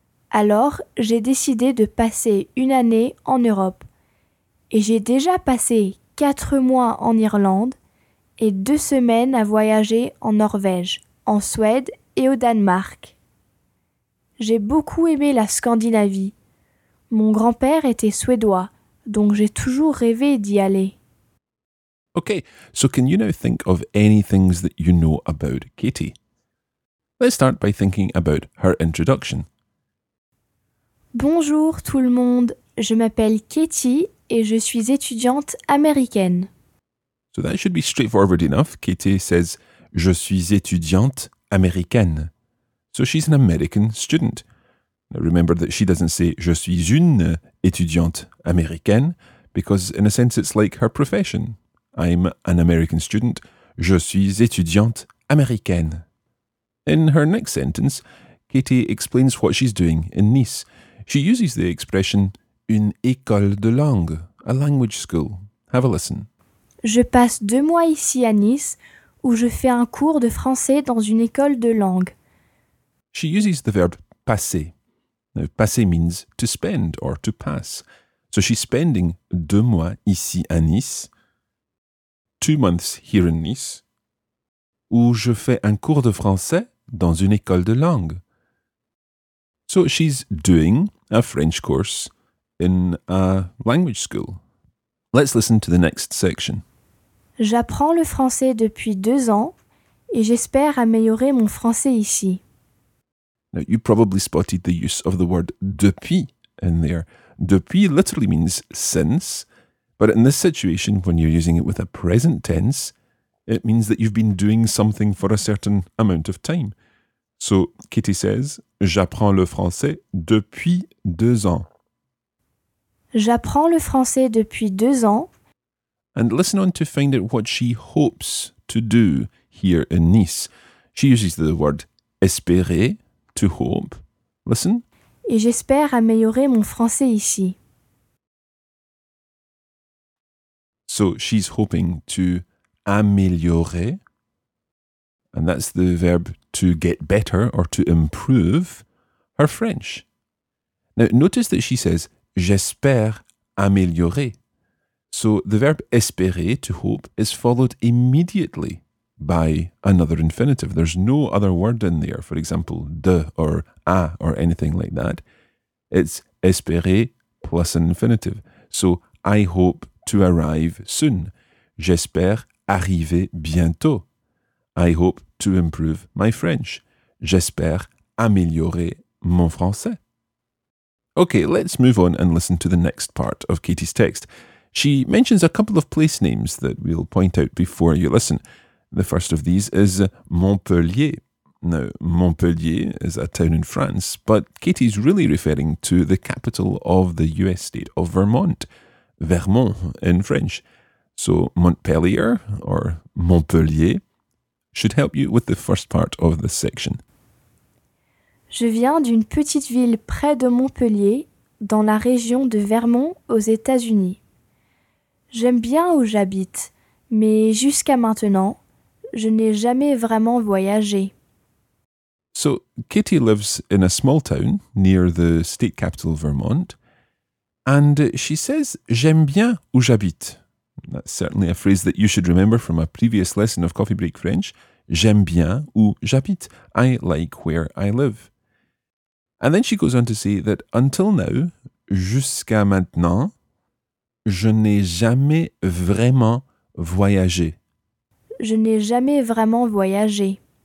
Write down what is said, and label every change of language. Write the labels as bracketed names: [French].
[French] Alors, j'ai décidé de passer 1 année en Europe, et j'ai déjà passé 4 mois en Irlande et 2 semaines à voyager en Norvège, en Suède et au Danemark. J'ai beaucoup aimé la Scandinavie. Mon grand-père était suédois, donc j'ai toujours rêvé d'y aller. [English] Okay, so can you now think of any things that you know about Katie? Let's start by thinking about her introduction. [French] Bonjour tout le monde, je m'appelle Katie et je suis étudiante américaine. [English] So that should be straightforward enough. Katie says, je suis étudiante américaine. So she's an American student. Now remember that she doesn't say, je suis une étudiante américaine, because in a sense it's like her profession. I'm an American student, je suis étudiante américaine. In her next sentence, Katie explains what she's doing in Nice. She uses the expression, une école de langue, a language school. Have a listen. [French] Je passe 2 mois ici à Nice, où je fais un cours de français dans une école de langue. [English] She uses the verb passer. Now, passer means to spend or to pass. So she's spending 2 mois ici à Nice, 2 months here in Nice, où je fais un cours de français dans une école de langue. So she's doing a French course in a language school. Let's listen to the next section. [French] J'apprends le français depuis 2 ans et j'espère améliorer mon français ici. [English] Now, you probably spotted the use of the word depuis in there. Depuis literally means since, but in this situation, when you're using it with a present tense, it means that you've been doing something for a certain amount of time. So, Kitty says, j'apprends le français depuis 2 ans. [French] J'apprends le français depuis 2 ans. [English] And listen on to find out what she hopes to do here in Nice. She uses the word espérer, to hope. Listen. [French] Et j'espère améliorer mon français ici. [English] So she's hoping to améliorer. And that's the verb to get better or to improve her French. Now notice that she says, j'espère améliorer. So the verb espérer, to hope, is followed immediately by another infinitive. There's no other word in there, for example, de or a or anything like that. It's espérer plus an infinitive. So I hope to arrive soon. [French] J'espère arriver bientôt. [English] I hope to improve my French. [French] J'espère améliorer mon français. [English] Okay, let's move on and listen to the next part of Katie's text. She mentions a couple of place names that we'll point out before you listen. The first of these is Montpellier. Now, Montpellier is a town in France, but Katie's really referring to the capital of the US state of Vermont, Vermont in French. So Montpellier or Montpellier should help you with the first part of the section. [French] Je viens d'une petite ville près de Montpellier, dans la région de Vermont aux États-Unis. J'aime bien où j'habite, mais jusqu'à maintenant, je n'ai jamais vraiment voyagé. [English] So, Katie lives in a small town near the state capital Vermont, and she says, j'aime bien où j'habite. That's certainly a phrase that you should remember from a previous lesson of Coffee Break French. J'aime bien où j'habite. I like where I live. And then she goes on to say that until now, jusqu'à maintenant, je n'ai jamais vraiment voyagé. [French] Je n'ai jamais vraiment voyagé.